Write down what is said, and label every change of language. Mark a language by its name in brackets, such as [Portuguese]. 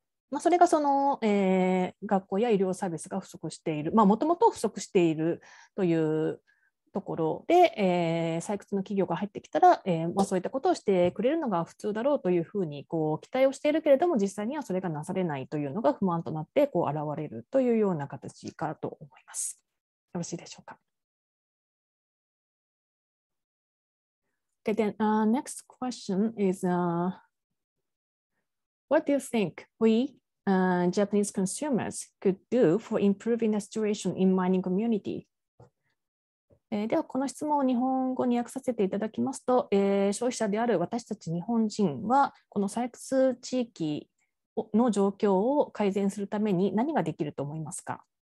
[Japanese] まあ、それがその、学校や医療サービスが不足している、まあ、もともと不足しているというところで、採掘の企業が入ってきたら、まあ、そういったことをしてくれるのが普通だろうというふうにこう期待をしているけれども、実際にはそれがなされないというのが不満となってこう現れるというような形かと思います。よろしいでしょうか。 [English] Okay, then, next question is what do you think we, Japanese consumers could do for improving the situation in mining community [Japanese] ではこの質問を日本語に訳させていただきますと、消費者である私たち日本人はこの採掘地域の状況を改善するために何ができると思いますか。